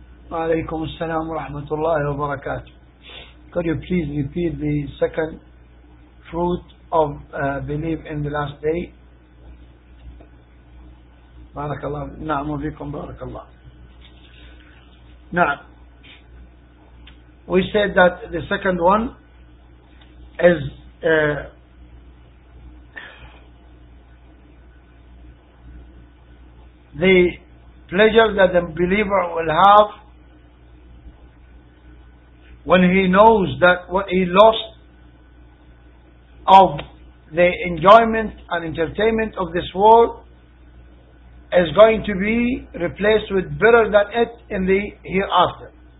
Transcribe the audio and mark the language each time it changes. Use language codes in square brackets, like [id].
[ar] وعليكم السلام ورحمة الله وبركاته. [en] Could you please repeat the second fruit of belief in the last day? [ar] بارك الله نعم فيكم بارك الله نعم. [en] We said that the second one is the pleasure that the believer will have when he knows that what he lost of the enjoyment and entertainment of this world is going to be replaced with better than it in the hereafter.